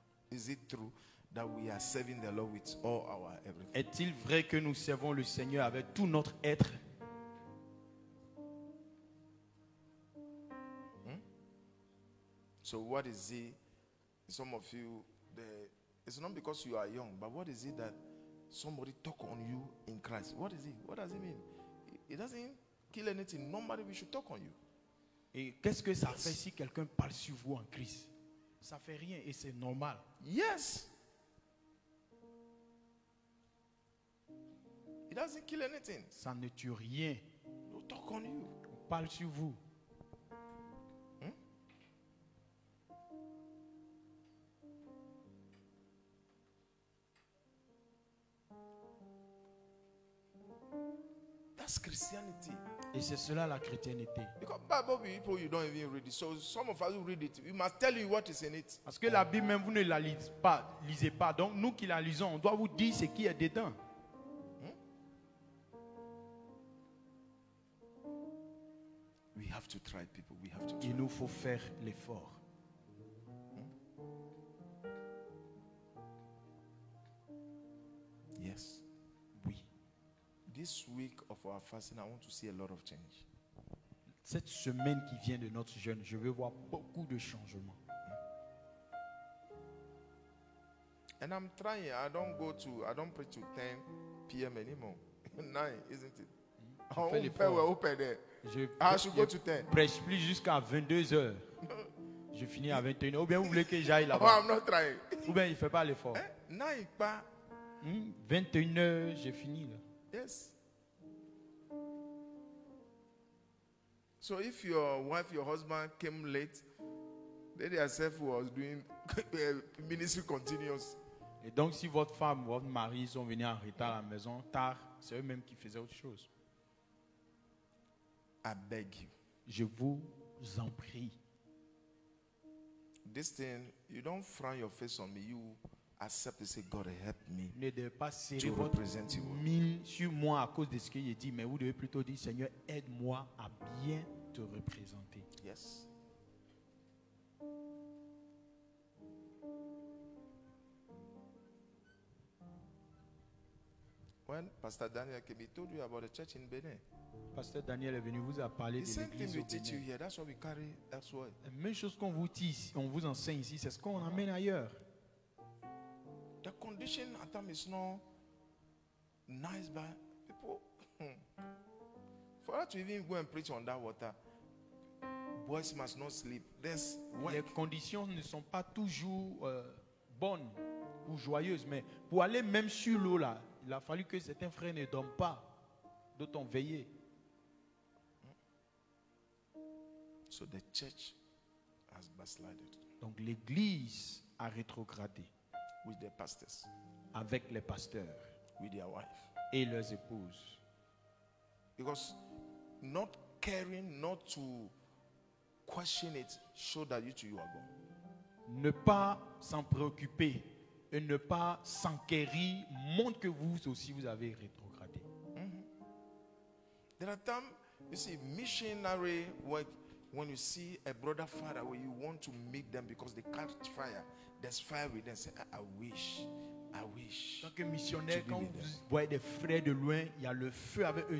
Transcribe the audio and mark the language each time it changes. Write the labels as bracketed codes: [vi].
[en] Is it true that we are serving the Lord with all our everything? [fr] Est-il vrai que nous servons le Seigneur avec tout notre être? [en] So what is it, some of you, it's not because you are young, but what is it that somebody talk on you in Christ? What is it? What does it mean? It doesn't kill anything. Nobody we should talk on you. [fr] Et qu'est-ce que ça fait si quelqu'un parle sur vous en Christ? Ça fait rien et c'est normal. [en] Yes. It doesn't kill anything. [fr] Ça ne tue rien. [en] No talk on you. [fr] On parle sur vous. [en] Christianity. [fr] Et c'est cela la chrétienté. [en] Because Bible people you don't even read it, so some of us who read it, we must tell you what is in it. [fr] Parce que la Bible même vous ne la lisez pas. Donc nous qui la lisons, on doit vous dire ce qui est dedans. [en] have to try, people. We have to. [fr] Il nous faut faire l'effort. [en] Yes. [fr] Oui. [en] This week of our fasting, I want to see a lot of change. [fr] Cette semaine qui vient de notre jeûne, je veux voir beaucoup de changements. [en] And I'm trying. I don't preach to 10 p.m. anymore. 9, isn't it? I should go to 10. [fr] Prêche plus jusqu'à 22 heures. Je finis à 21 heures. Ou bien vous voulez que j'aille là-bas? [en] Oh, I'm not trying. [fr] Ou bien il fait pas l'effort. 9, pas. 21 heures, j'ai fini là. [en] Yes. So if your wife, your husband came late, then yourself was doing ministry continuous. [fr] Et donc si votre femme ou votre mari sont venus en retard à la maison tard, c'est eux-mêmes qui faisaient autre chose. [en] I beg you. [fr] Je vous en prie. [en] This thing, you don't frown your face on me. You accept and say, God help me. [fr] Ne devez pas serrer votre mine sur moi à cause de ce que j'ai dit, mais vous devez plutôt dire, Seigneur, aide-moi à bien te représenter. Yes. [en] When Pastor Daniel came, he told you about the church in Benin. [fr] Pasteur Daniel est venu vous a parlé [en] the [fr] de l'église au Bénin. La même chose qu'on vous dit, on vous enseigne ici, c'est ce qu'on amène ailleurs. [en] The condition at time is not nice, but people for us to even go and preach on that water, boys must not sleep. [fr] Les conditions ne sont pas toujours bonnes ou joyeuses, mais pour aller même sur l'eau là, il a fallu que certains frères ne dorment pas, d'autant veiller. [en] So the church has backslided. [fr] Donc l'église a rétrogradé. [en] With their pastors. [fr] Avec les pasteurs. [en] With their wife. [fr] Et leurs épouses. [en] Because not caring not to question it show that you are gone. [fr] Ne pas s'en préoccuper et ne pas s'enquérir montre que vous aussi vous avez rétrogradé. [en] Mm-hmm. There are times you see missionary work. When you see a brother far away, you want to meet them because they catch fire. There's fire within. Say, I wish. [fr] Tant que missionnaire, quand vous voyez des frères de loin, il y a le feu avec eux.